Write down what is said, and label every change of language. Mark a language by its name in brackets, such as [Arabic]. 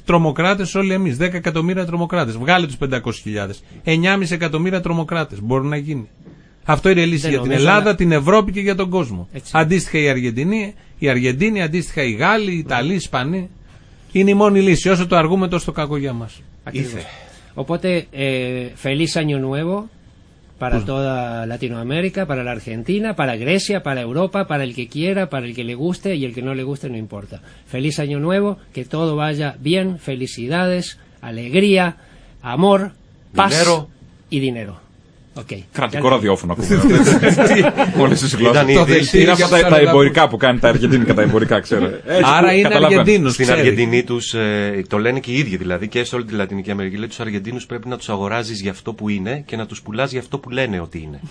[Greek] Τρομοκράτες όλοι εμείς, 10 εκατομμύρια τρομοκράτες. Βγάλε τους 500.000. 9,5 εκατομμύρια τρομοκράτες. Μπορεί να γίνει. Αυτό είναι η λύση για την Ελλάδα, την Ευρώπη και για τον κόσμο. Έτσι. Αντίστοιχα η Αργεντίνη, αντίστοιχα οι Γάλλοι, οι Ιταλοί, οι Ισπανοί. Είναι η μόνη λύση. Όσο το αργούμε, τόσο το κακό για μας. [Spanish] Οπότε, Feliz Año Nuevo. Para toda Latinoamérica, para la Argentina, para Grecia, para Europa, para el que quiera, para el que le guste y el que no le guste, no importa. Feliz Año Nuevo, que todo vaya bien, felicidades, alegría, amor, dinero. Paz y dinero. Okay. [Greek] Κρατικό ραδιόφωνο ακούμε. Όλες τις γλώσσες. Είναι από τα εμπορικά που κάνει τα Αργεντίνη κατά εμπορικά, ξέρω. Άρα είναι Αργεντίνος. Στην Αργεντινή τους, το λένε και οι ίδιοι δηλαδή, και σε όλη τη Λατινική Αμερική, λέει τους Αργεντίνους πρέπει να τους αγοράζεις για αυτό που είναι και να τους πουλάς για αυτό που λένε ότι είναι.